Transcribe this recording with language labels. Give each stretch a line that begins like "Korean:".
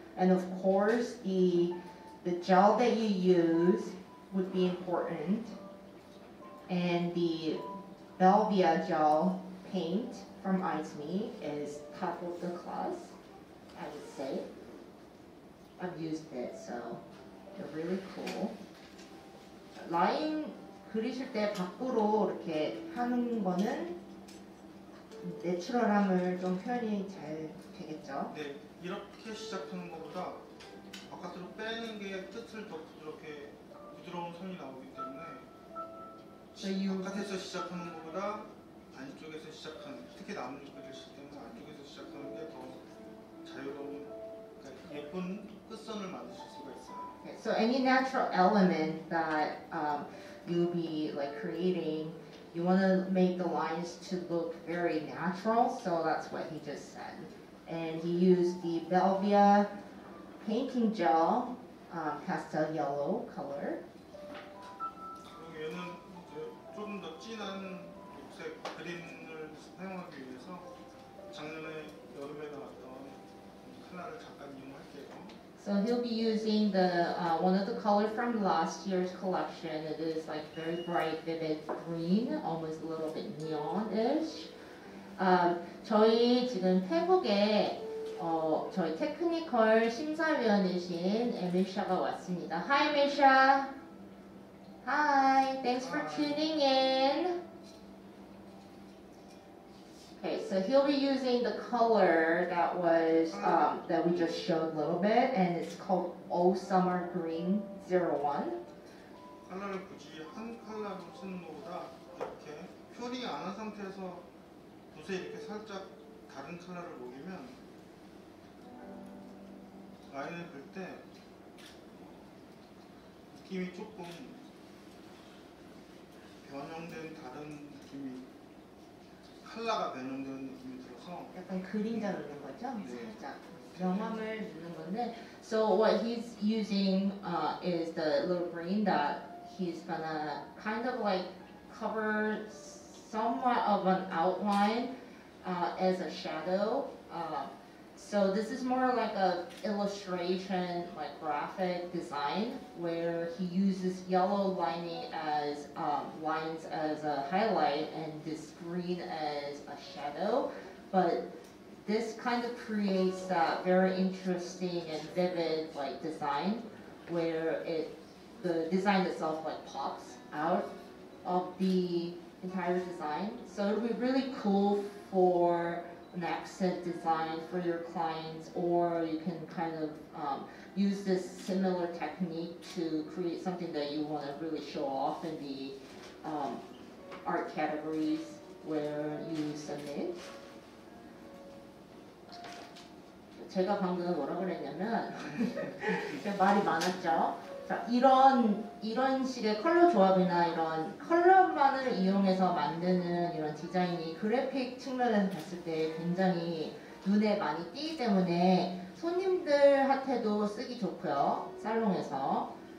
English: And of course, the gel that you use would be important. And the Belvia gel paint from Izmi is top of the class, I would say. I've used it, so they're really cool.
Korean: Line 그리실 때 밖으로 이렇게 하는 거는 내추럴함을 좀 표현이 잘 되겠죠? 네, 이렇게 시작하는 것보다 바깥으로 빼는 게 끝을 더 부드럽게 부드러운 선이 나오기 때문에 바깥에서 시작하는 것보다 안쪽에서 시작하는 특히 나무를 그리실 때는 안쪽에서 시작하는 게 더 자유로운 그러니까 예쁜 끝선을 만드실 수가 있어요.
English: So any natural element that you'll be like creating. You want to make the lines to look very natural, so that's what he just said. And he used the Belvia painting gel, pastel yellow color.
Korean: 얘는 조금 더 진한 녹색 그린을 사용하기 위해서 작년에 여름에 나왔던 칼라를 잠깐 이용할게요.
English: So he'll be using the one of the colors from last year's collection. It is like very bright, vivid green, almost a little bit neon-ish.
Korean: 저희 지금 태국에 저희 테크니컬 심사위원이신 에밀샤가 왔습니다.
English: Hi, 에밀샤. Hi. Thanks for tuning in. Okay, so he'll be using the color that was that we just showed a little bit, and it's called All Summer Green 01.
Korean: 컬러를 굳이 한 컬러로 쓰는 것보다 이렇게 표현이 안 한 상태에서 붓에 이렇게 살짝 다른 컬러를 녹이면 라인을 그릴 때 느낌이 조금 변형된 다른 느낌이. 컬러가 변형되는 느낌이 들어서 약간 그림자 넣는 거죠? 네. 살짝 명암을 넣는 건데
English: So what he's using is the little green that he's gonna kind of like cover somewhat of an outline as a shadow So this is more like a illustration like graphic design where he uses yellow lining as lines as a highlight and this green as a shadow but this kind of creates that very interesting and vivid like design where it the design itself like pops out of the entire design so it'll be really cool for an accent design for your clients or you can kind of use this similar technique to create something that you want to really show off in the art categories where you submit.
Korean: 제가 방금 뭐라고 그랬냐면 말이 많았죠? 자, 이런 식의 컬러 조합이나 이런 컬러만 화면을 이용해서 만드는 이런 디자인이 그래픽 측면에서 봤을 때 굉장히 눈에 많이 띄기 때문에 손님들한테도 쓰기 좋고요. 살롱에서.